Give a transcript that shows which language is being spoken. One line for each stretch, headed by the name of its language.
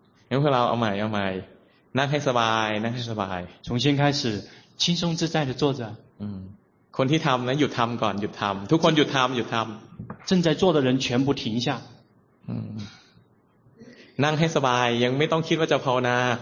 Thai: งั้นพวกเราเอาใหม่นั่งให้สบายนั่งให้สบาย
Chinese: 重新开始轻松自在的坐着
Thai: คนที่ทำนะหยุดทำก่อนหยุดทำทุกคนหยุดทำ
Chinese: 正在坐的人全部停下
Thai: นั่งให้สบายยังไม่ต้องคิดว่าจะภาวนา